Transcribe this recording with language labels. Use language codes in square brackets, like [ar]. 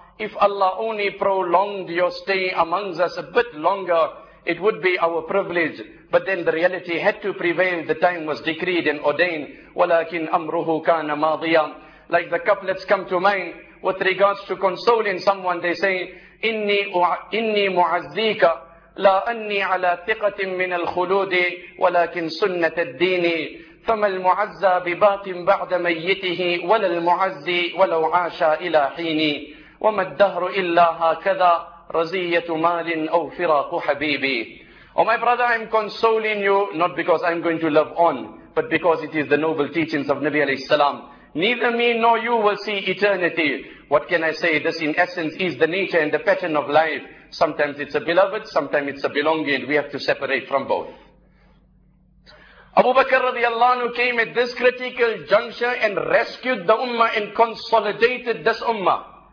[en] If Allah only prolonged your stay amongst us a bit longer, it would be our privilege. But then the reality had to prevail. The time was decreed and ordained. [ar] وَلَكِنْ أَمْرُهُ كَانَ مَاضِيًا. [en] Like the couplets come to mind with regards to consoling someone. They say, [ar] إِنِّي مُعَزِّيكَ لا أني على ثقة من الخلود ولكن سنة الدين فما المعزى بباق بعد ميته ولا المعزي ولو عاش إلى حين وما الدهر إلا هكذا رزية مال أو فراق حبيبي. [en] Oh my brother, I'm consoling you not because I'm going to love on, but because it is the noble teachings of Nabi alayhi salam. Neither me nor you will see eternity. What can I say? This in essence is the nature and the pattern of life. Sometimes it's a beloved, sometimes it's a belonging. We have to separate from both. Abu Bakr radiallahu anhu came at this critical juncture and rescued the ummah and consolidated this ummah.